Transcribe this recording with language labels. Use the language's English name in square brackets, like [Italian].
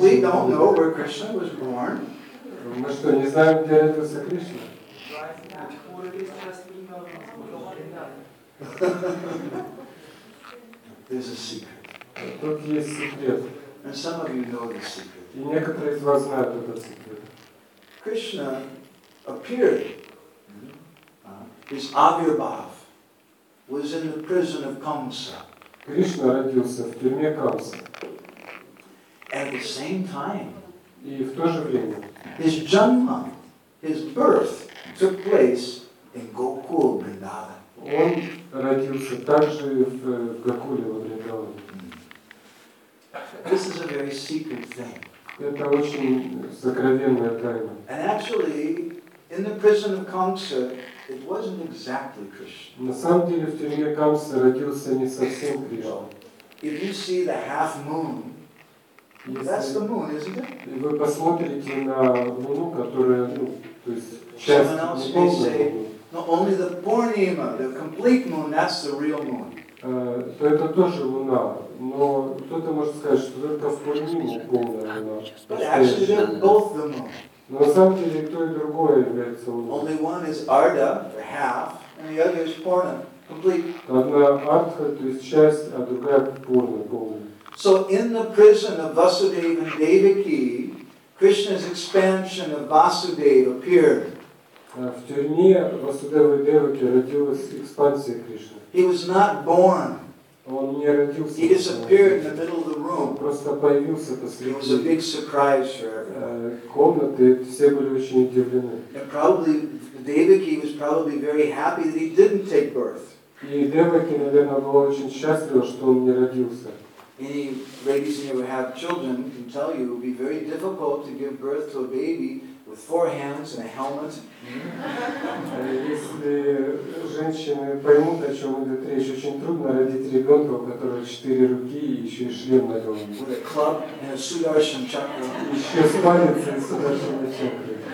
[English] We don't know where Krishna was born. [Russian] Мы что, не знаем, где родился Кришна? [English] There's a secret. [Russian] Тут есть секрет. [English] And some of you know the secret. [Russian] И некоторые из вас знают этот секрет. [English] Krishna appeared. His Avirbhav was in the prison of Kamsa. [Russian] Кришна родился в тюрьме Камса. [English] At the same time. [Russian] И в то же время. [English] His janma, his birth, took place in Gokul, Vrindavan. [Russian] Он родился также в Гокуле, во Вриндаване. [English] This is a very secret thing. [Russian] Это очень сокровенная тайна. [English] And actually, in the prison of Kamsa, it wasn't exactly Krishna. [Russian] На самом деле, в тюрьме Камса родился не совсем Кришна. [English] If you see the half moon, that's the moon, isn't it? [Russian] Вы посмотрите на луну, которая, ну, то есть часть луны. [English] Someone else may say, no, only the Purnima, the complete moon, that's the real moon. [Russian] То это тоже луна. Но кто-то может сказать, что только в Пурниму полная луна. [English] But actually they're both the moon. [Russian] Но на самом деле то и другое является луной. [English] Only one is Arda, for half, and the other is Purna, complete. [Russian] Одна Ардха, то есть часть, а другая Пурна, полная. [English] So in the prison of Vasudeva and Devaki, Krishna's expansion of Vasudeva appeared. [Russian] В тюрьме Васудевы Деваки родилась экспансия Кришны. [English] He was not born. [Russian] Он не родился. [English] He disappeared in the middle of the room. [Russian] Он просто появился посреди. [English] It was a big surprise for everyone. [Russian] Комнаты, все были очень удивлены. [English] And probably Devaki was probably very happy that he didn't take birth. [Russian] И Деваки, наверное, была очень счастлива, что он не родился. [English] Any ladies who have children can tell you it would be very difficult to give birth to a baby with four hands and a helmet. [Russian] Если женщины поймут, о чем идет речь, очень трудно родить ребенка, у которого четыре руки и еще и шлем на голове. [English] With a club and a Sudarshan chakra. [Russian] Еще с палицей и Sudarshan chakra.